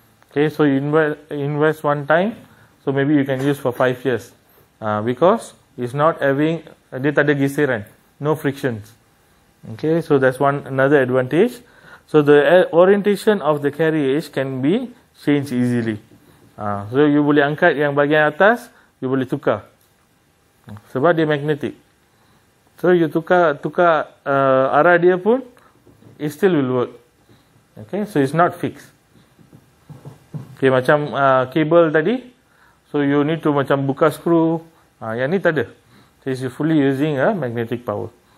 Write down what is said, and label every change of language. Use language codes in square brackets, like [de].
[en] Okay, so you invest one time, so maybe you can use for 5 years. Because it's not having, [ms] dia tak ada giseran, [en] no frictions. Okay, so that's another advantage. So the orientation of the carriage can be changed easily. [ms] So you boleh angkat yang bahagian atas, you boleh tukar. Sebab dia magnetic. [en] So you [ms] tukar arah dia pun, [en] it still will work. Okay, so it's not fixed. Okay, [ms] macam kabel tadi. [en] So you need to [ms] macam buka skru. Yang ni tak ada. [en] So it's fully using a magnetic power.